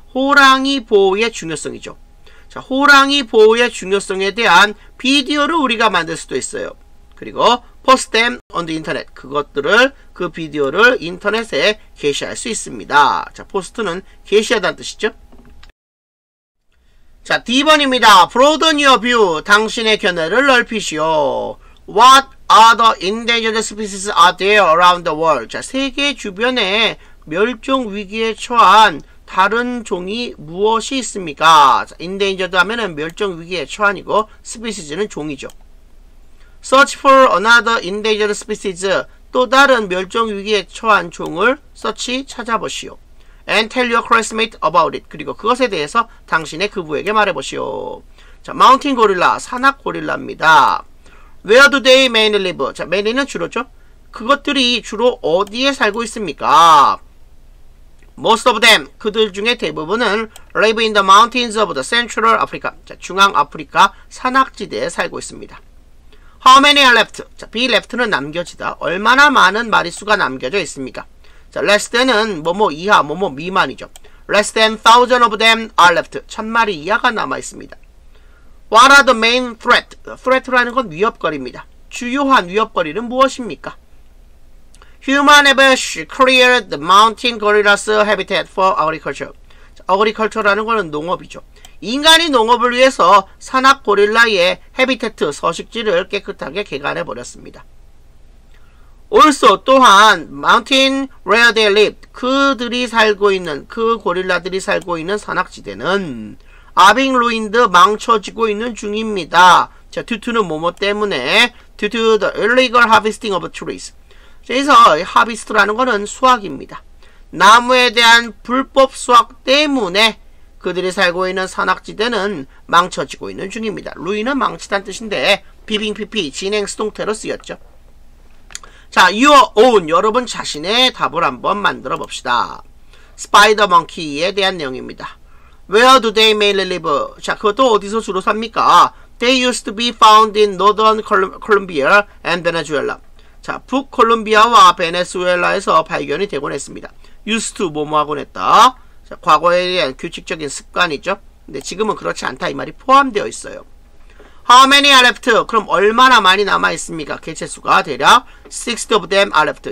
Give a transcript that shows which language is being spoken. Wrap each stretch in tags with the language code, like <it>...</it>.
<ko>호랑이 보호의 중요성이죠. 자, 호랑이 보호의 중요성에 대한 비디오를 우리가 만들 수도 있어요. 그리고</ko> <en>post them on the internet.</en> <ko>그것들을, 그 비디오를 인터넷에 게시할 수 있습니다. 자, post는 게시하다는 뜻이죠. 자, D번입니다.</ko> <en>Broaden your view.</en> <ko>당신의 견해를 넓히시오.</ko> <en>What other endangered species are there around the world?</en> <ko>자, 세계 주변에 멸종 위기에 처한 다른 종이 무엇이 있습니까? 자, endangered 하면은 멸종 위기에 처한이고, species는 종이죠.</ko> <en>Search for another endangered species.</en> <ko>또 다른 멸종 위기에 처한 종을 search 찾아보시오.</ko> <en>And tell your classmate about it.</en> <ko>그리고 그것에 대해서 당신의 그부에게 말해보시오. 자,</ko> <en>mountain gorilla,</en> <ko>산악 고릴라입니다.</ko> <en>Where do they mainly live?</en> <ko>자, mainly는 주로죠. 그것들이 주로 어디에 살고 있습니까?</ko> <en>Most of them,</en> <ko>그들 중에 대부분은</ko> <en>live in the mountains of the central Africa.</en> <ko>자, 중앙 아프리카 산악지대에 살고 있습니다.</ko> <en>How many are left?</en> <ko>자, be left는 남겨지다. 얼마나 많은 마리수가 남겨져 있습니까? 자, less than은 뭐뭐 이하, 뭐뭐 미만이죠.</ko> <en>Less than 1,000 of them are left.</en> <ko>1,000마리 이하가 남아있습니다.</ko> <en>What are the main threat?</en> <ko>Threat라는 건 위협거리입니다. 주요한 위협거리는 무엇입니까?</ko> <en>Human have cleared the mountain gorilla's habitat for agriculture.</en> <ko>자, agriculture라는 거는 농업이죠. 인간이 농업을 위해서 산악 고릴라의 habitat, 서식지를 깨끗하게 개간해버렸습니다.</ko> <en>Also,</en> <ko>또한</ko> <en>mountain where they lived,</en> <ko>그들이 살고 있는, 그 고릴라들이 살고 있는 산악지대는</ko> <en>are being ruined,</en> <ko>망쳐지고 있는 중입니다. 자, due to는 뭐뭐 때문에, due to the illegal harvesting of trees. 그래서 harvest라는 거는 수확입니다. 나무에 대한 불법 수확 때문에 그들이 살고 있는 산악지대는 망쳐지고 있는 중입니다. ruin은 망치다는 뜻인데 BBPP, 진행 수동태로 쓰였죠. 자,</ko> <en>your own,</en> <ko>여러분 자신의 답을 한번 만들어 봅시다. 스파이더 몽키에 대한 내용입니다.</ko> <en>Where do they mainly live?</en> <ko>자, 그것도 어디서 주로 삽니까?</ko> <en>They used to be found in northern Colombia and Venezuela.</en> <ko>자, 북콜롬비아와 베네수엘라에서 발견이 되곤 했습니다. Used to 뭐뭐하곤 했다. 자, 과거에 대한 규칙적인 습관이죠. 근데 지금은 그렇지 않다, 이 말이 포함되어 있어요.</ko> <en>How many are left?</en> <ko>그럼 얼마나 많이 남아있습니까? 개체수가 대략</ko> <en>60 of them are left.</en>